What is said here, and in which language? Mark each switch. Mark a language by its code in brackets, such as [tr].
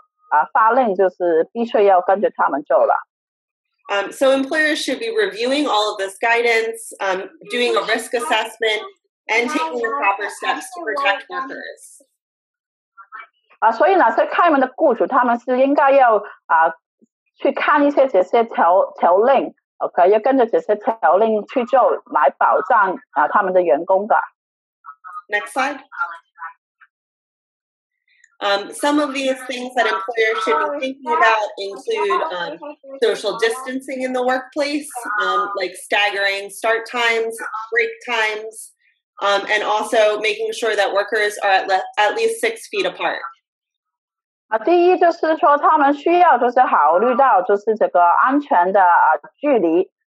[zh] 然后州政府啦，OK，州政府他已经下命令，就是有一些就是保障，就是这些必须要工作的员工的，OK，在这些必须的行业里边是该怎么做去保障他们的员工的，他们是有一些法令，就是必须要跟着他们做了。 [en] So employers should be reviewing all of this guidance, doing a risk assessment, and taking the proper steps to protect workers. [zh] 所以呢，这开门的雇主他们是应该要去看一些这些条令 ，OK， 要跟着这些条令去做，来保障他们的员工的。 [en] Next slide. Some of these things that employers should be thinking about include social distancing in the workplace, like staggering start times, break times, and also making sure that workers are at least 6 feet apart. [zh] 第一就是说他们需要就是考虑到就是这个安全的距离。